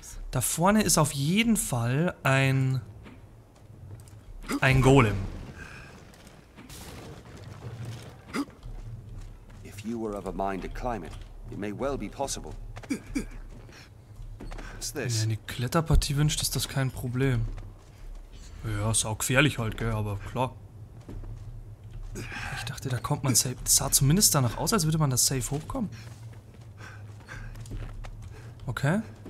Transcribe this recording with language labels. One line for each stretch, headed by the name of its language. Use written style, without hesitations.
German: Da vorne ist auf jeden Fall ein Golem.
English: If you were of a mind to climb it, it may well be possible.
German: Wenn du eine Kletterpartie wünscht, ist das kein Problem. Ja, ist auch gefährlich halt, gell, aber klar. Ich dachte, da kommt man safe. Es sah zumindest danach aus, als würde man da safe hochkommen. Okay.